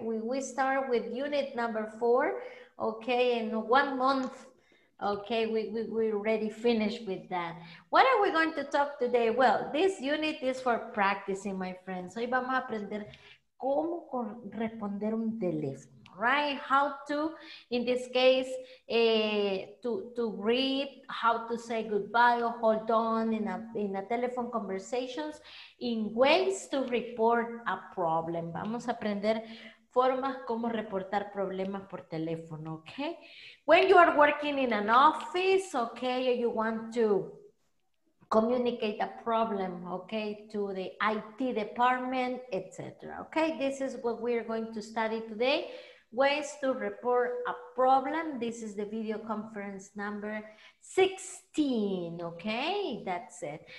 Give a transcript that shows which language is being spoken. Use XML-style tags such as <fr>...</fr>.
<en>We start with unit number 4, okay, in 1 month, okay, we already finished with that. What are we going to talk today? Well, this unit is for practicing, my friends.</en> <es>Hoy vamos a aprender cómo responder un teléfono, right?</es> <en>How to, in this case, to greet, how to say goodbye or hold on in a telephone conversations, in ways to report a problem.</en> <es>Vamos a aprender formas como reportar problemas por teléfono, okay?</es> <en>When you are working in an office, okay, you want to communicate a problem, okay, to the IT department, etc. Okay, this is what we are going to study today. Ways to report a problem. This is the video conference number 16, okay? That's it.</en>